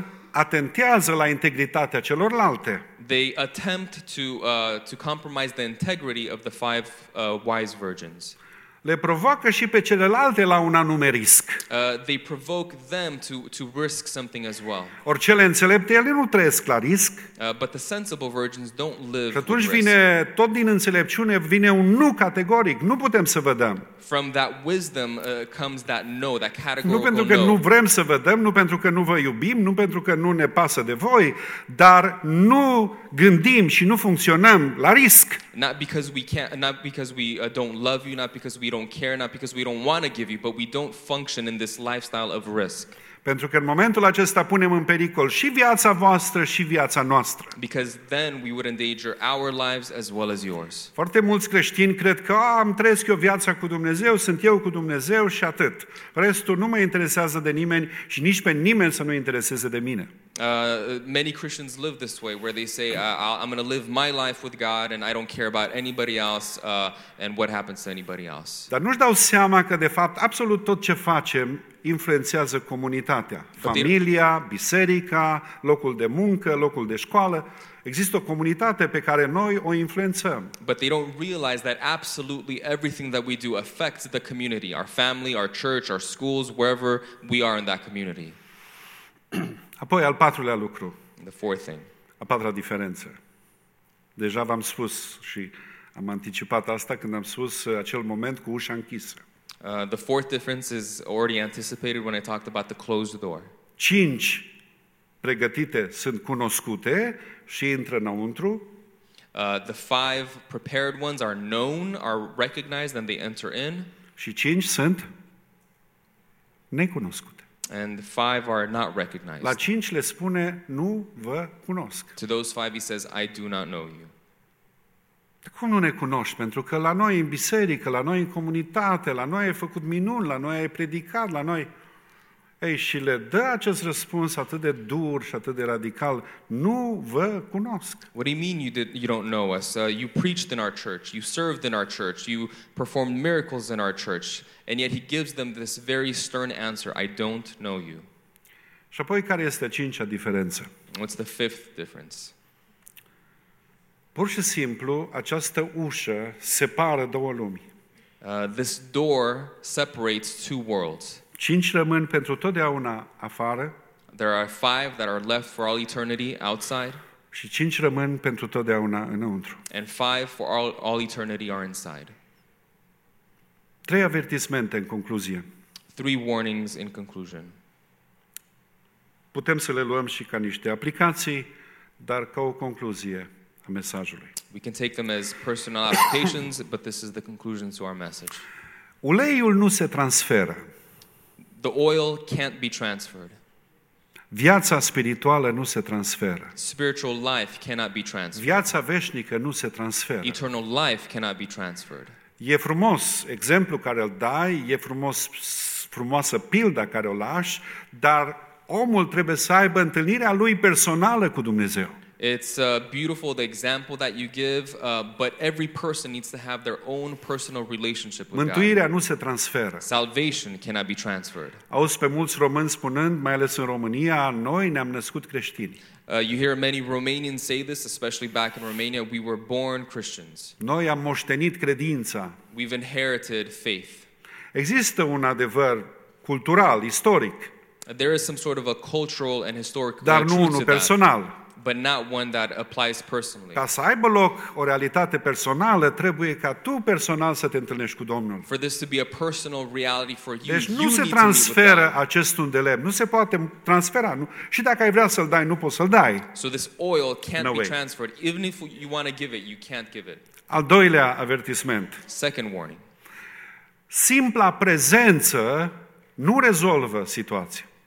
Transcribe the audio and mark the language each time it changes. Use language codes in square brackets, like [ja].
[ro] Atentează la integritatea celorlalte. [en] They attempt to compromise the integrity of the five wise virgins. [ro] Le provoacă și pe celelalte la un anume risc. [en] They provoke them to risk something as well. [ro] Or cele înțelepte, ele nu trăiesc la risc. [en] But the sensible virgins don't live. [ro] Și atunci vine tot din înțelepciune, vine un nu categoric, nu putem să vă dăm. [en] From that wisdom comes that no, that categorical no. [ro] Nu pentru că nu vrem să vă dăm, nu pentru că nu vă iubim, nu pentru că nu ne pasă de voi, dar nu gândim și nu funcționăm la risc. [en] Not because we can't, not because we don't love you, not because we don't care, not because we don't want to give you, but we don't function in this lifestyle of risk. [ro] Pentru că în momentul acesta punem în pericol și viața voastră și viața noastră. [en] Because then we would endanger our lives as well as yours. [ro] Foarte mulți creștini cred că am trăiesc eu viața cu Dumnezeu, sunt eu cu Dumnezeu și atât. Restul nu mă interesează de nimeni și nici pe nimeni să nu intereseze de mine. [en] Many Christians live this way where they say I'm going to live my life with God and I don't care about anybody else and what happens to anybody else. [ro] Dar nu-și dau seama că de fapt absolut tot ce facem influențează comunitatea, familia, biserica, locul de muncă, locul de școală. Există o comunitate pe care noi o influențăm. [en] But they don't realize that absolutely everything that we do affects the community, our family, our church, our schools, wherever we are in that community. [ro] Apoi al patrulea lucru. [en] The fourth thing. [ro] A patra diferență. Deja v-am spus și am anticipat asta când am spus acel moment cu ușa închisă. [en] The fourth difference is already anticipated when I talked about the closed door. [ro] 5 pregătite sunt cunoscute și intră înăuntru. [en] The 5 prepared ones are known, are recognized, and they enter in. [ro] Și 5 sunt necunoscute. [en] And the 5 are not recognized. [ro] La 5 le spune, nu vă cunosc. [en] To those 5 he says, I do not know you. [ro] Cum nu ne cunoști? Pentru că la noi în biserică, la noi în comunitate, la noi ai făcut minuni, la noi ai predicat, la noi... Ei, și le dă acest răspuns atât de dur și atât de radical. Nu vă cunosc. [en] What do you mean you don't know us? You preached in our church, you served in our church, you performed miracles in our church, and yet he gives them this very stern answer, I don't know you. [ro] Și apoi, care este a cincea diferență? [en] What's the fifth difference? [ro] Pur și simplu, această ușă separă două lumi. [en] This door separates two worlds. [ro] 5 rămân pentru totdeauna afară. [en] There are 5 that are left for all eternity outside. [ro] Și 5 rămân pentru totdeauna înăuntru. [en] And 5 for all eternity are inside. [ro] 3 avertismente în concluzie. [en] 3 warnings in conclusion. [ro] Putem să le luăm și ca niște aplicații, dar ca o concluzie. [en] We can take them as personal applications, but this is the conclusion to our message. [ro] Uleiul nu se transferă. [en] The oil can't be transferred. [ro] Viața spirituală nu se transferă. [en] Spiritual life cannot be transferred. [ro] Viața veșnică nu se transferă. [en] Eternal life cannot be transferred. [ro] E frumos exemplu care îl dai, e frumoasă pilda care o lași, dar omul trebuie să aibă întâlnirea lui personală cu Dumnezeu. [en] It's beautiful, the example that you give, but every person needs to have their own personal relationship with [ro] Mântuirea Mântuirea nu se transferă. [en] Salvation cannot be transferred. [ro] Auzi pe mulți români spunând, mai ales în România, noi ne-am născut creștini. [en] You hear many Romanians say this, especially back in Romania, we were born Christians. [ro] Noi am moștenit credința. [en] We've inherited faith. [ro] Există un adevăr cultural, istoric. [en] There is some sort of a cultural and historic truth to that. [ro] Dar nu unul personal. [en] but not one that applies personally. [ro] Ca să aibă loc o realitate personală, trebuie ca tu personal să te întâlnești cu Domnul. [en] For this to be a personal reality for you. [ro] Deci nu se transferă acest unt de lemn. Nu se poate transfera, nu. Și dacă ai vrea să-l dai, nu poți să-l dai. [en] So this oil can't be transferred. Even if you want to give it, you can't give it. [ro] Al doilea avertisment. [en] Second warning. [ro] Simpla prezență nu rezolvă situația.